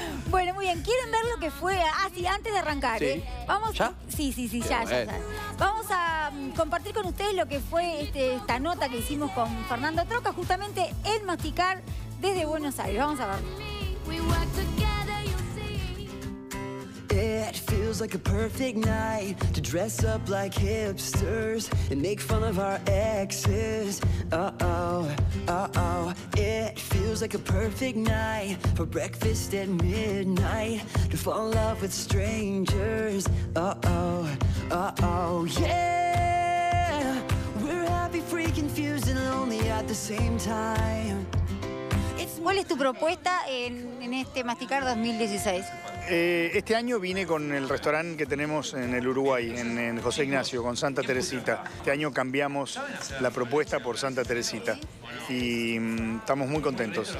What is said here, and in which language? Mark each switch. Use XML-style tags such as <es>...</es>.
<es>Bueno, muy bien. ¿Quieren ver lo que fue? Ah, sí, antes de arrancar, sí. ¿Eh? Vamos. ¿Ya? Sí, ya. Vamos a compartir con ustedes lo que fue esta nota que hicimos con Fernando Troca, justamente el masticar desde Buenos Aires. Vamos a ver.</es> <en>It feels like a perfect night to dress up like hipsters and make fun of our exes. Uh-oh, uh-oh. It feels like a perfect night for breakfast at midnight to fall in love with strangers. Uh-oh, uh-oh, yeah. We're happy, free, confused, and lonely at the same time.</en> <es>¿Cuál es tu propuesta en este Masticar 2016? Este año vine con el restaurante que tenemos en el Uruguay, en José Ignacio, con Santa Teresita. Este año cambiamos la propuesta por Santa Teresita y estamos muy contentos.</es>